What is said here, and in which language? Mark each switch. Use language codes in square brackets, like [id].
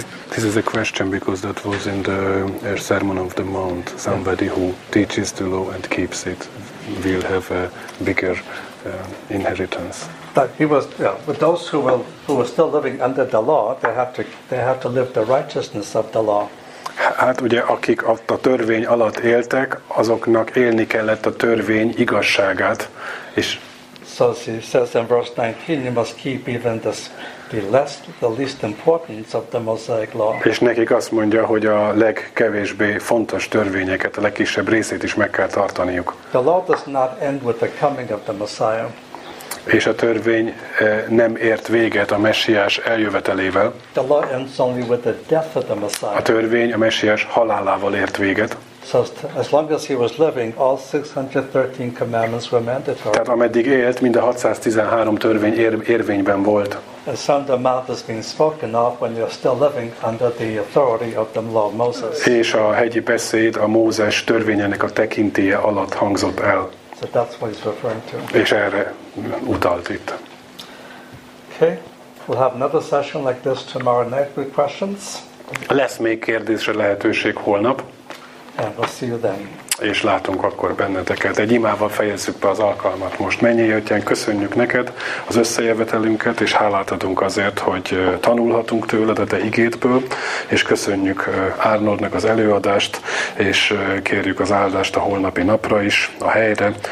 [en] this is a question because that was in the Sermon of the Mount. Somebody who teaches the law and keeps it will have a bigger inheritance. But he was, but those who were still living under the law, they have to live the righteousness of the law. [hu] Hát ugye akik a törvény alatt éltek, azoknak élni kellett a törvény igazságát, és. [en] So he says in verse 19, you must keep even the least importance of the Mosaic law. [hu] És nekik azt mondja, hogy a legkevésbé fontos törvényeket, a legkisebb részét is meg kell tartaniuk. [en] The law does not end with the coming of the Messiah. [hu] És a törvény nem ért véget a Messiás eljövetelével. [en] The law ends only with the death of the Messiah. [hu] A törvény a Messiás halálával ért véget. [en] So as long as he was living, all 613 commandments were mandatory. [hu] Tehát ameddig élt, mind a 613 törvény érvényben volt. [en] And some of the mouth is being spoken of when you're still living under the authority of the law of Moses. [hu] És a hegyi beszéd a Mózes törvényének a tekintélye alatt hangzott el. [en] So that's what he's referring to. [hu] És erre utalt itt. [en] Okay, we'll have another session like this tomorrow night with questions. [hu] Lesz még kérdésre lehetőség holnap. [en] And we'll see you then. [hu] És látunk akkor benneteket. Egy imával fejezzük be az alkalmat most. Mennyei Atyán, köszönjük neked az összejövetelünket, és hálát adunk azért, hogy tanulhatunk tőled a te igédből, és köszönjük Arnoldnak az előadást, és kérjük az áldást a holnapi napra is, a helyre.